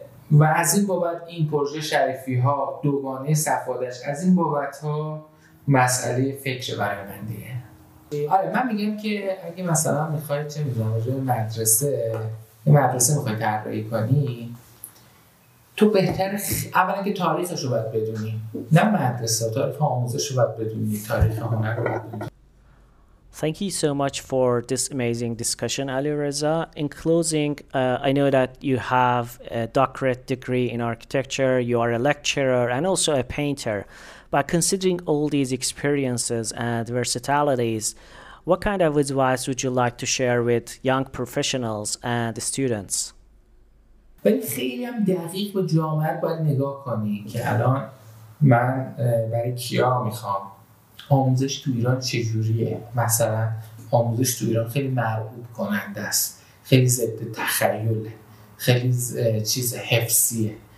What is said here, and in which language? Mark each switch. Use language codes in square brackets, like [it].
[fa] و از این بابت این پروژه شریفی‌ها دوگانه صفادش، از این بابت‌ها مسئله فکر برای من دیگه. آره من میگم که اگه مثلا می‌خوای چه می‌دونم یه مدرسه، یه مدرسه می‌خوای طراحی کنی، تو بهتر اولا که تاریخش رو باید بدونی، نه مدرسه، تاریخ آموزش رو باید بدونی، تاریخ هنر رو باید بدونی. [en] Thank you so much for this amazing discussion, Ali Reza. In closing, I know that you have a doctorate degree in architecture, you are a lecturer and also a painter. But considering all these experiences and versatilities, what kind of advice would you like to share with young professionals and students? [fa] خیلی هم دقیق به جامعه باید نگاه کنی که الان من برای کیا میخوام؟ آموزش تو ایران چجوریه؟ مثلا آموزش تو ایران خیلی مرعوب کننده است، خیلی ضد تخیله، خیلی چیز حفظیه.